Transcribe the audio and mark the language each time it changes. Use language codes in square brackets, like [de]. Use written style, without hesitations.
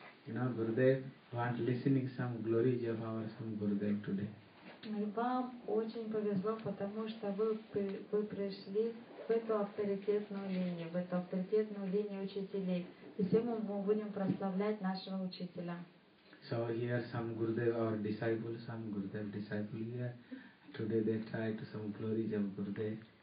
[en] You know, Gurudev want listening some glories of our some Gurudev today. [ru] Вам очень повезло, потому что вы пришли в эту авторитетную линию, в эту авторитетную линию учителей. И сегодня мы будем прославлять нашего учителя. [en] So here some Gurudev or disciples, some Gurudev disciples here. Today they try to some glories of Gurudev.